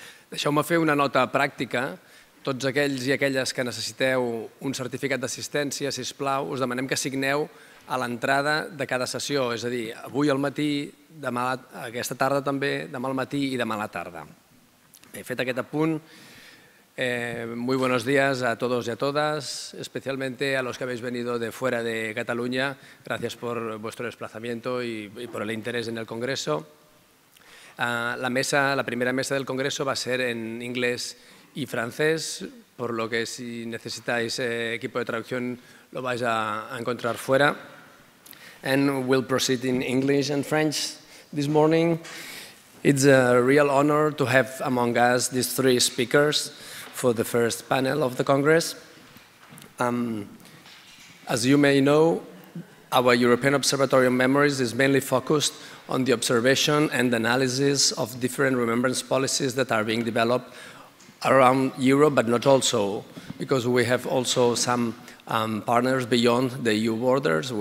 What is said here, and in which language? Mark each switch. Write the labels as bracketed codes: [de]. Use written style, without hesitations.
[ca] Deixeu-me fer una nota pràctica. Tots aquells i aquelles que necessiteu un certificat d'assistència, sisplau, us demanem que signeu a l'entrada de cada sessió, és a dir, avui al matí, demà, aquesta tarda també, demà al matí i demà a la tarda. He fet aquest apunt. [es] Muy buenos días a todos y a todas, especialmente a los que habéis venido de fuera de Cataluña. Gracias por vuestro desplazamiento y por el interés en el Congreso. La primera mesa del Congreso va a ser en inglés y francés, por lo que si necesitáis equipo de traducción lo vais a encontrar fuera. [en] And we'll proceed in English and French this morning. It's a real honor to have among us these three speakers for the first panel of the Congress. As you may know, our European Observatory of Memories is mainly focused on the observation and analysis of different remembrance policies that are being developed around Europe, but not also, because we have also some partners beyond the EU borders.